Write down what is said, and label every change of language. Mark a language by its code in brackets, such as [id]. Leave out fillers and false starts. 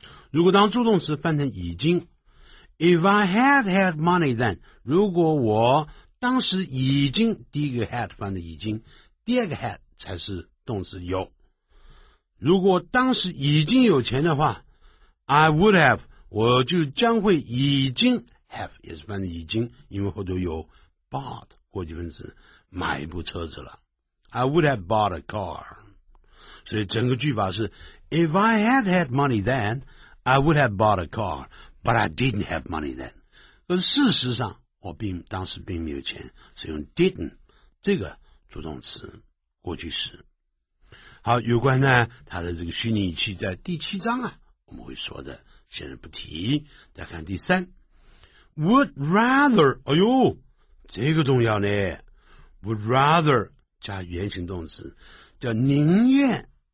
[zh] 如果当助动词翻成已经 ， [en] If I had had money then， [zh] 如果我当时已经，第一个 had 翻成已经，第二个 had 才是。动词有，如果当时已经有钱的话 ， [en] I would have， [zh] 我就将会已经 have 也是翻译已经，因为后头有 bought 过去分词，买一部车子了。 [en] I would have bought a car， [zh] 所以整个句法是 [en] ：If I had had money then, I would have bought a car, but I didn't have money then。 [zh] 而事实上我并当时并没有钱，是用 didn't 这个主动词过去时。好，有关呢他的这个虚拟语气在第七章啊我们会说的，现在不提。再看第三， would rather， 哎呦这个重要呢， would rather 加原形动词叫宁愿。